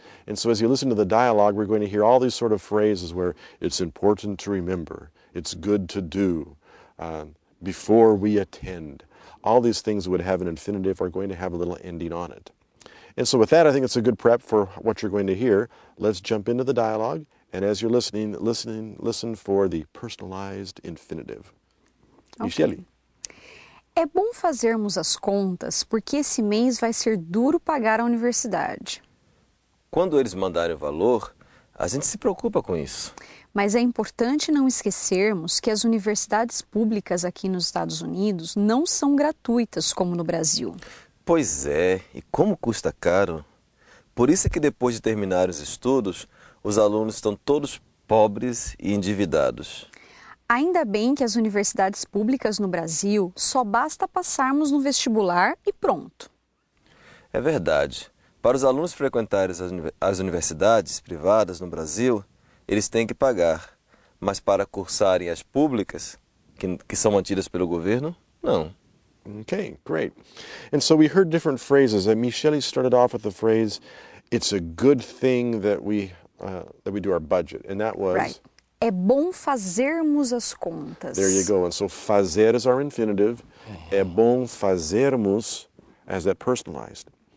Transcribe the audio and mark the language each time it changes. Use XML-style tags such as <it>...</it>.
<en>And so as you listen to the dialogue, we're going to hear all these sort of phrases where it's important to remember, it's good to do, before we attend. All these things that would have an infinitive are going to have a little ending on it. And so with that, I think it's a good prep for what you're going to hear. Let's jump into the dialogue. And as you're listening, listen for the personalized infinitive. Okay. Michele.</en> <pt>É bom fazermos as contas, porque esse mês vai ser duro pagar a universidade. Quando eles mandarem o valor, a gente se preocupa com isso. Mas é importante não esquecermos que as universidades públicas aqui nos Estados Unidos não são gratuitas como no Brasil. Pois é, e como custa caro. Por isso é que depois de terminar os estudos, os alunos estão todos pobres e endividados. Ainda bem que as universidades públicas no Brasil só basta passarmos no vestibular e pronto. É verdade. Para os alunos frequentarem as universidades privadas no Brasil, eles têm que pagar. Mas para cursarem as públicas, que são mantidas pelo governo, não.</pt> <en>Okay, great. And so we heard different phrases. And Michele started off with the phrase, it's a good thing that we do our budget. And that was... Right.</en> <pt>É bom fazermos as contas.</pt> <en>There you go. And so fazer is our infinitive.</en> <pt>É bom fazermos,</pt> <en>as that personalized.</en>